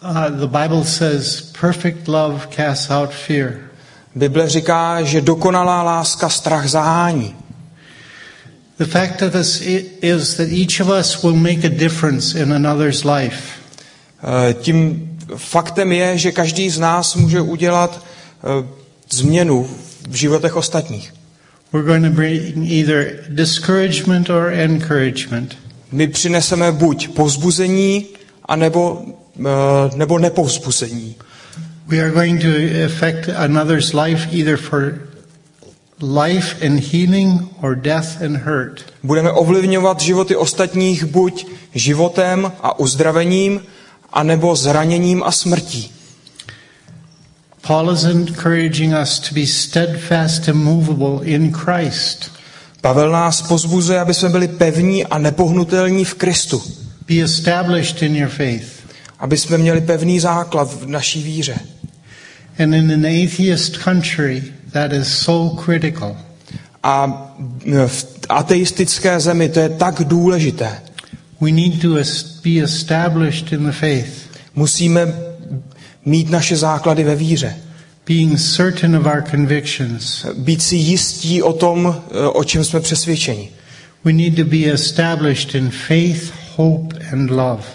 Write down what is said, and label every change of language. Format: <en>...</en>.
<en>The Bible says perfect love casts out fear.</en> <cs>Bible říká, že dokonalá láska strach zahání.</cs> <en>The fact of this is that each of us will make a difference in another's life.</en> <cs>Tím faktem je, že každý z nás může udělat změnu v životech ostatních.</cs> <en>We're going to bring either discouragement or encouragement.</en> <cs>My přineseme buď povzbuzení, anebo nepovzbuzení.</cs> <en>We are going to affect another's life either for life and healing or death and hurt.</en> <cs>Budeme ovlivňovat životy ostatních buď životem a uzdravením, anebo zraněním a smrtí.</cs> <en>Paul is encouraging us to be steadfast and immovable in Christ.</en> <cs>Pavel nás pozbuzuje, aby jsme byli pevní a nepohnutelní v Kristu.</cs> <en>Be established in your faith.</en> <cs>Aby jsme měli pevný základ v naší víře.</cs> <en>And in an atheist country, that is so critical.</en> <cs>A v ateistické zemi to je tak důležité.</cs> <en>We need to be established in the faith.</en> <cs>Musíme mít naše základy ve víře.</cs> <en>Being certain of our convictions.</en> <cs>Být si jistí o tom, o čem jsme přesvědčeni.</cs> <en>We need to be established in faith, hope and love.</en>